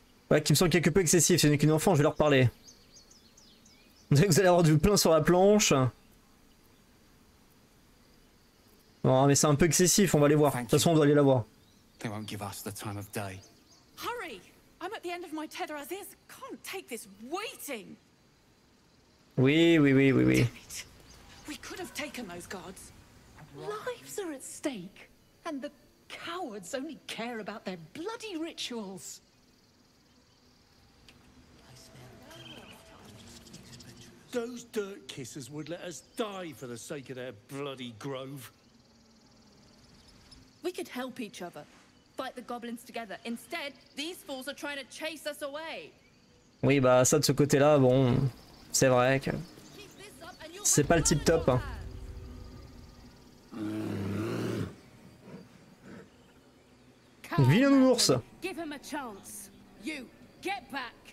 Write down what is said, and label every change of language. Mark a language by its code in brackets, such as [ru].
[fr] Ouais, qui me semble quelque peu excessif, c'est qu'une enfant, je vais leur parler. On dirait que vous allez avoir du plein sur la planche. Non, mais c'est un peu excessif, on va aller voir. De toute façon, on doit aller la voir. [en] They won't give us the time of day. Hurry! I'm at the end of my tether as is. Can't take this waiting! [fr] Oui, oui, oui, oui, oui. [en] We could have taken those guards. Lives are at stake, and the cowards only care about their bloody rituals. Those dirt kissers would let us die for the sake of their bloody grove. We could help each other. Fight the goblins together. Instead, these fools are trying to chase us away. [fr] Oui, bah ça de ce côté-là, bon, c'est vrai que c'est pas le tip top. Hein. Vilain ours. [en] Give him a chance. You get back.